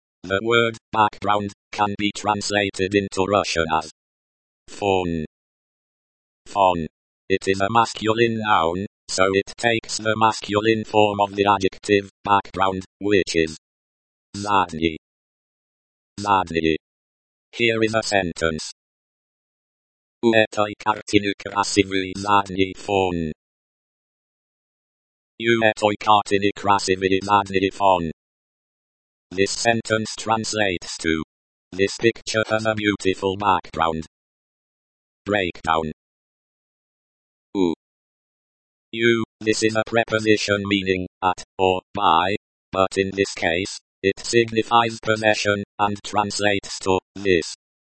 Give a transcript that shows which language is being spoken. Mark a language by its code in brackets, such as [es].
[en] The word, background, can be translated into Russian as фон. [ru] Фон. [en] It is a masculine noun, so it takes the masculine form of the adjective, background, which is задний. Задний. Here is a sentence. [ru] У этой картины красивый задний фон. У этой картины красивый задний фон. [en] This sentence translates to, this picture has a beautiful background. Breakdown. У. У, this is a preposition meaning, at, or, by, but in this case, it signifies possession, and translates to, this.